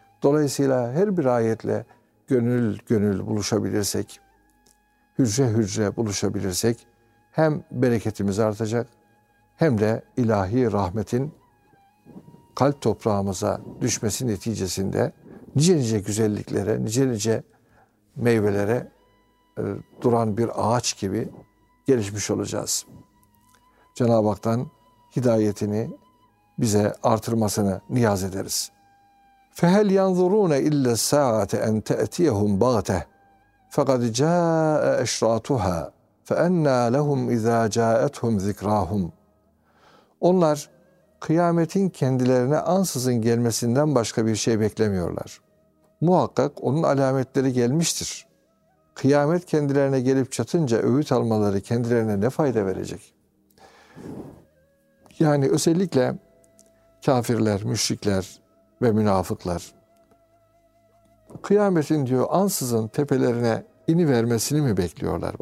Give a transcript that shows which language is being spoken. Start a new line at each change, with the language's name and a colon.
Turkish: Dolayısıyla her bir ayetle gönül gönül buluşabilirsek, hücre hücre buluşabilirsek hem bereketimiz artacak hem de ilahi rahmetin kalp toprağımıza düşmesi neticesinde nice nice güzelliklere, nice nice meyvelere duran bir ağaç gibi gelişmiş olacağız. Cenab-ı Hak'tan hidayetini bize artırmasını niyaz ederiz.
Arabic: فَهَلْ يَنْظُرُونَ اِلَّا السَّاعَةَ اَنْ تَأْتِيَهُمْ بَغْتَهُ فَقَدْ جَاءَ اَشْرَاتُهَا فَاَنَّا لَهُمْ اِذَا جَاءَتْهُمْ ذِكْرَاهُمْ
Turkish: Onlar kıyametin kendilerine ansızın gelmesinden başka bir şey beklemiyorlar. Muhakkak onun alametleri gelmiştir. Kıyamet kendilerine gelip çatınca öğüt almaları kendilerine ne fayda verecek? Yani özellikle kafirler, müşrikler ve münafıklar kıyametin diyor ansızın tepelerine inivermesini mi bekliyorlar?